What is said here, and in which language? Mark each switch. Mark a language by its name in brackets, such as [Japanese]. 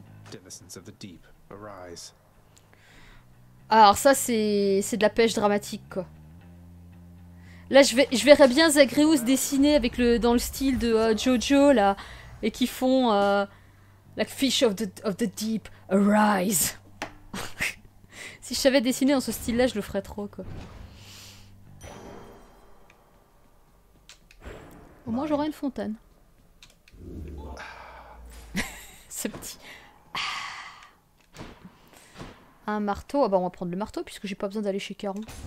[English] Denizens of the deep, arise. [French] Alors ça, c'est de la pêche dramatique, quoi. Là, je verrais bien Zagreus dessiner avec dans le style de Jojo, là, et qui font... [English] like fish of the deep, arise. [French] Si je savais dessiner dans ce style-là, je le ferais trop, quoi. Au moins, j'aurais une fontaine. Ce petit... Un marteau. Ah bah on va prendre le marteau puisque j'ai pas besoin d'aller chez Caron.